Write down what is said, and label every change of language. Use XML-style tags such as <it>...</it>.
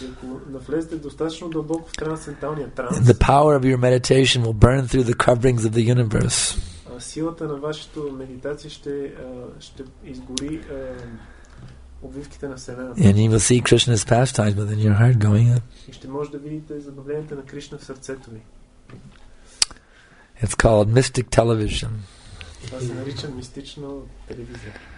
<en>the power of your meditation will burn through the coverings of the universe.</en> <bg>Силата на вашето медитация ще изгори обвивките на семената.</bg> <en>And you will see Krishna's pastimes within your heart going up.</en> <bg>И ще може да видите забавленията на Кришна в сърцето ви.</bg> <en>It's called mystic television.</en> <bg>Това се нарича мистична телевизия.</bg>